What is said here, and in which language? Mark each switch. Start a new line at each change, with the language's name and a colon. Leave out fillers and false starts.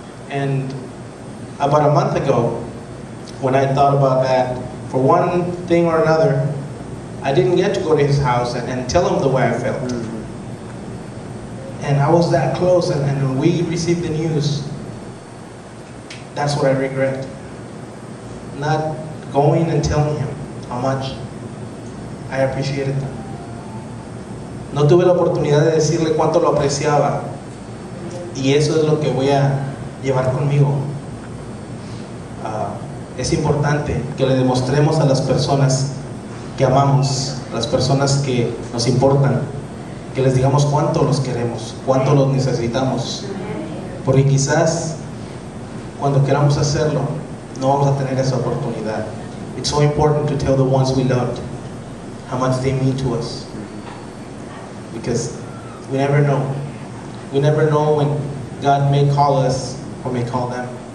English: And about a month ago, when I thought about that, for one thing or another, I didn't get to go to his house and tell him the way I felt. Mm-hmm. And I was that close, and when we received the news, that's what I regret. Not going and telling him how much I appreciated that.
Spanish: No tuve la oportunidad de decirle cuánto lo apreciaba. Y eso es lo que voy a llevar conmigo. Es importante que le demostremos a las personas que amamos, las personas que nos importan, que les digamos cuánto los queremos, cuánto los necesitamos. Porque quizás cuando queramos hacerlo, no vamos a tener esa oportunidad.
English: It's so important to tell the ones we loved how much they mean to us. Because we never know. We never know when God may call us or may call them.